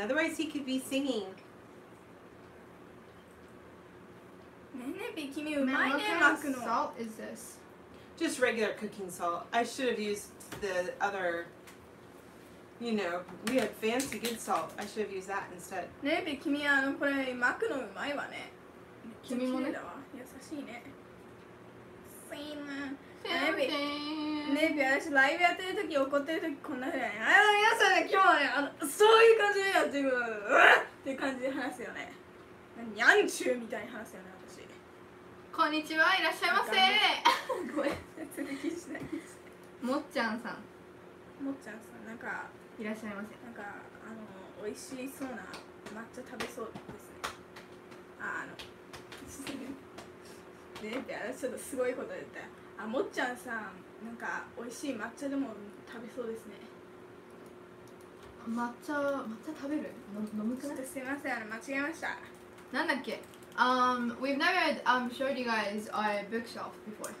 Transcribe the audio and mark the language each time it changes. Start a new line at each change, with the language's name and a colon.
English: Otherwise, he could be singing. What salt is this? Just regular cooking salt. I should have used the other, you know, we had fancy good salt. I should have used that instead.
Japanese: ねえ、君はこれ巻くのうまいわね。君もね。優しいね。すいません。ねえ、私ライブやってるとき怒ってるときこんなふうに。あ、皆さんね、今日はね、そういう感じでやってる。うわっ！っていう感じで話すよね。にゃんちゅうみたいに話すよね。こんにちは、いらっしゃいませ。ごめん、続きしない。 もっちゃんさん。もっちゃんさん、なんか、いらっしゃいませ。なんか、美味しそうな抹茶食べそうですね。ね、ちょっとすごいこと言った。あ、もっちゃんさん、なんか、美味しい抹茶でも食べそうですね。抹茶食べる？飲むくない？ちょっとすいません、間違えました。なんだっけ？
English: We've never showed you guys our bookshelf before.